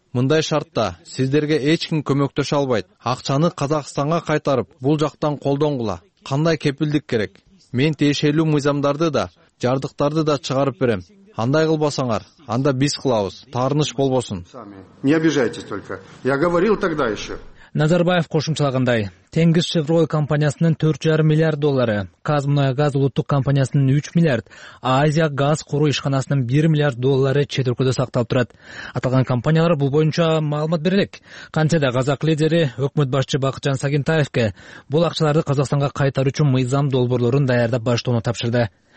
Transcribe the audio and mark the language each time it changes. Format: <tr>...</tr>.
<ky>Мындай шартта сиздерге эч ким көмөктөшө албайт. Акчаны Казакстанга кайтарып, бул жактан колдонгула. Кандай кепилдик керек? Мен тиешелүү мыйзамдарды да, жардыктарды да чыгарып берем. Андай кылбасаңар, анда биз кылабыз. Таарыныч болбосун.</ky> <ru>Не обижайтесь только. Я говорил тогда ещё.</ru> <ky>Назарбаев кошумчалагандай, Теңиз Шевролет компаниясынын 4,5 миллиард доллары, Казмунайгаз улуттук компаниясынын 3 миллиард, Азия Газ куруу ишканасынын 1 миллиард доллары чөтүркөдө сакталып турат. Аталган компаниялар бул боюнча маалымат берилет. Кантсе да казак лидери өкмөт башчы Бакытжан Сагынтаевке бул акчаларды Казакстанга кайтаруу үчүн мыйзам долбоорлорун даярдап баштоону тапшырды.</ky>